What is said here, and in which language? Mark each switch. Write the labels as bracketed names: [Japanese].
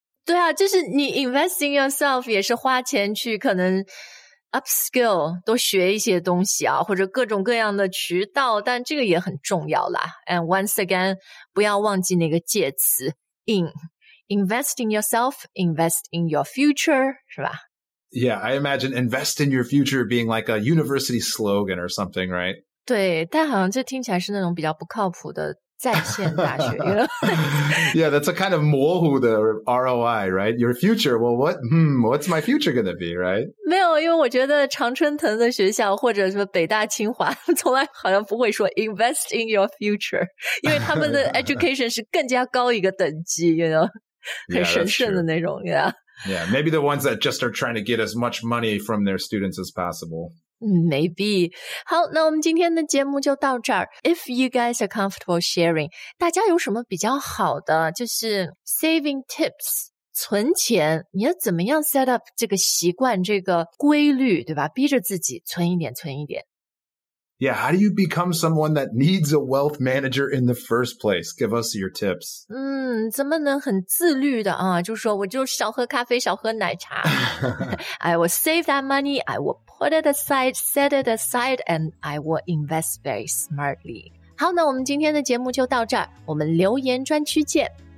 [Chinese] 对啊，就是你 [English] invest in yourself [Chinese] 也是花钱去可能 upskill, 多学一些东西啊，或者各种各样的渠道，但这个也很重要啦。 [English] And once again, [Chinese] 不要忘记那个介词 in. [English] Invest in yourself, invest in your future, [Chinese] 是吧？ [English] Yeah, I imagine invest in your future being like a university slogan or something, right? [Chinese] 对，但好像这听起来是那种比较不靠谱的在线大学。 [English] Yeah, that's a kind of [Chinese] 模糊的 [English] ROI, right? Your future, well, what's my future going to be, right? [Chinese] 没有，因为我觉得常春藤的学校或者什么北大清华从来好像不会说 invest in your future, 因为他们的 education 是更加高一个等级, [English] you know, [Chinese] 很神圣的那种。 [English] Yeah, maybe the ones that just are trying to get as much money from their students as possible. Maybe. [Chinese] 好，那我们今天的节目就到这儿。 [English] If you guys are comfortable sharing, [Chinese] 大家有什么比较好的就是 saving tips, 存钱，你要怎么样 set up 这个习惯，这个规律，对吧？逼着自己存一点，存一点。 [English] Yeah, how do you become someone that needs a wealth manager in the first place? Give us your tips. [Chinese] 怎么能很自律的啊？就说我就少喝咖啡，少喝奶茶。 [English] I will save that money. I will put it aside, set it aside, and I will invest very smartly. [Chinese] 好，那我们今天的节目就到这儿。我们留言专区见。